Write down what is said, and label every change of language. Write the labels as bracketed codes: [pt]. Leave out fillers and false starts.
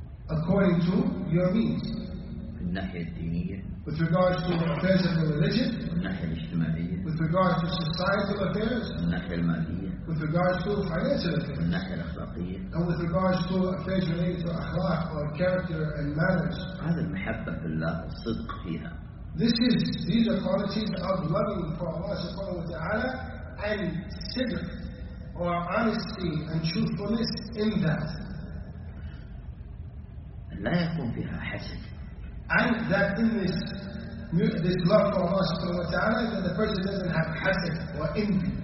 [en] According to your means. [ar] في الناحية الدينية. [en] With regards to the affairs of the religion. [ar] في الناحية الاجتماعية. [en] With regards to societal affairs. [ar] في الناحية المالية. [en] With regards to financial affairs. [ar] في الناحية الأخلاقية. [en] And with regards to affairs related to akhlaq or character and manners. [ar] هذا المحبة في الله الصدق فيها. [en] These are qualities of loving for Allah subhanahu wa ta'ala and sidq, or honesty and truthfulness in that. [ar] لا يكون فيها حسد. [en] And that in this love for Allah subhanahu wa ta'ala, that the person doesn't have hasad or envy.